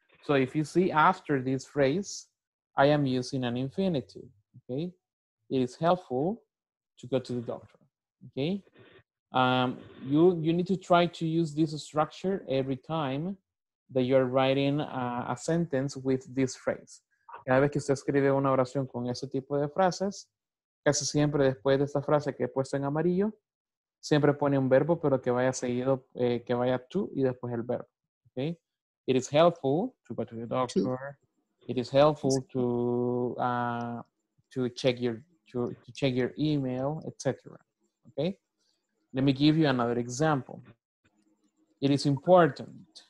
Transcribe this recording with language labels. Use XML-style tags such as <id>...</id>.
<en>So if you see after this phrase, I am using an infinitive, okay? It is helpful to go to the doctor, okay? You need to try to use this structure every time that you're writing a sentence with this phrase.</en> <es>Cada vez que usted escribe una oración con ese tipo de frases, casi siempre después de esta frase que he puesto en amarillo, siempre pone un verbo, pero que vaya seguido, que vaya to y después el verbo.</es> <en>Okay? It is helpful to go to the doctor. It is helpful to check your email, etc. Okay? Let me give you another example. It is important.</en>